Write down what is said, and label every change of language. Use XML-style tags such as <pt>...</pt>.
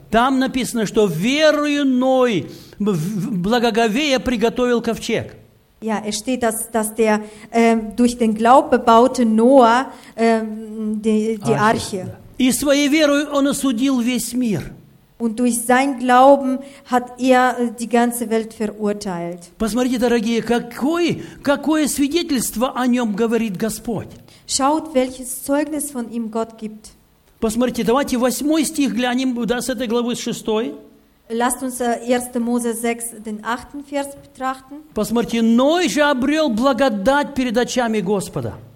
<ru>Там написано, что верою Ной благоговея приготовил ковчег.</ru> <de>Ja, es steht, dass der durch den Glauben baute Noah die Arche.</de> <ru>И своей верою он осудил весь мир.</ru> <de>Und durch sein Glauben hat die ganze Welt verurteilt.</de> <ru>Посмотрите, дорогие, какое свидетельство о нем говорит Господь.</ru> <de>Schaut, welches Zeugnis von ihm Gott gibt.</de> <ru>Посмотрите, давайте 8 стих глянем, да, с этой главы, с 6.</ru> <de>Lasst uns 1. Mose 6, den 8. Vers betrachten.</de> <ru>Посмотрите, Ной же обрел благодать перед очами Господа.</ru>